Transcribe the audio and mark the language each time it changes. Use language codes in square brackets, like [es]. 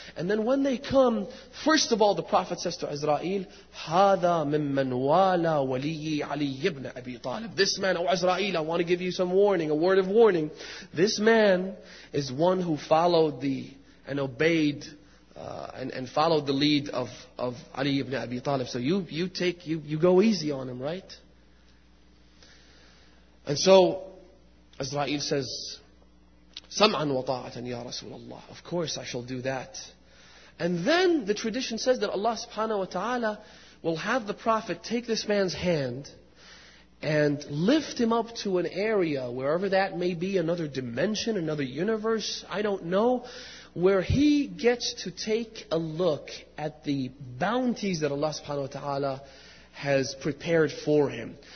[en] And then when they come, first of all, the Prophet says to Azrael, [ar] هَذَا مِمَّنْ وَالَى وَلِيِّ عَلِيِّ ابن أَبِي طَالِبِ. [en] This man, O Azrael, I want to give you some warning, a word of warning. This man is one who followed the and obeyed and followed the lead of Ali ibn Abi Talib. So you go easy on him, right? And so Azrael says, [ar] سَمْعًا وَطَاعَةً يَا رَسُولَ اللَّهِ. [en] Of course I shall do that. And then the tradition says that Allah subhanahu wa ta'ala will have the Prophet take this man's hand and lift him up to an area, wherever that may be, another dimension, another universe, I don't know, where he gets to take a look at the bounties that Allah subhanahu wa ta'ala has prepared for him.